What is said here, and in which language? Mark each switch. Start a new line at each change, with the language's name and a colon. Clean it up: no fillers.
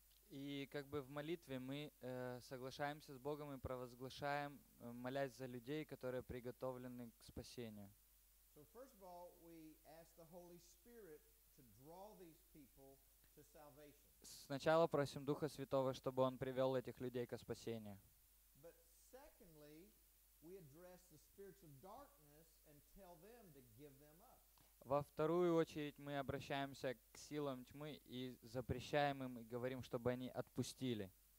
Russian: И как бы в молитве мы соглашаемся с Богом и провозглашаем, молясь за людей, которые приготовлены к спасению.
English: So first of all, we ask the Holy Spirit to draw these people to salvation.
Russian: Сначала просим Духа Святого, чтобы Он привел этих людей ко спасению.
English: But secondly, we address the spirits of darkness and tell them to give them up.
Russian: Во вторую очередь мы обращаемся к силам тьмы и запрещаем им и говорим, чтобы они отпустили.